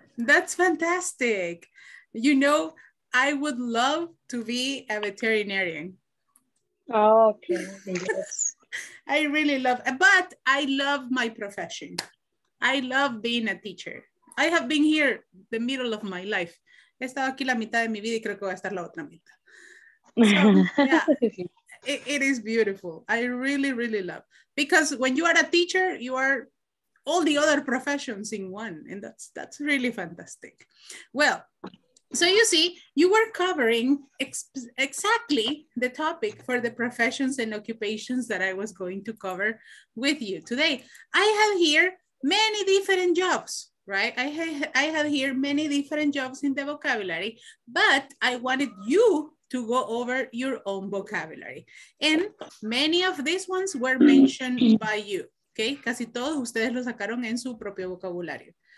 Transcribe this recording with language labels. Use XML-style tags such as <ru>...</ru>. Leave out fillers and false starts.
<en>That's fantastic. You know, I would love to be a veterinarian. Oh, okay. Yes. I really love, but I love my profession. I love being a teacher. I have been here the middle of my life.</en> <es>He estado aquí la mitad de mi vida y creo que voy a estar la otra mitad.</es> <en>So, yeah. It is beautiful. I really, really love. Because when you are a teacher, you are all the other professions in one. And that's really fantastic. Well, so you see, you were covering exactly the topic for the professions and occupations that I was going to cover with you today. I have here many different jobs, right? I have here many different jobs in the vocabulary, but I wanted you to go over your own vocabulary. And many of these ones were mentioned by you, okay?</en> <es>Casi todos ustedes lo sacaron en su propio vocabulario.</es>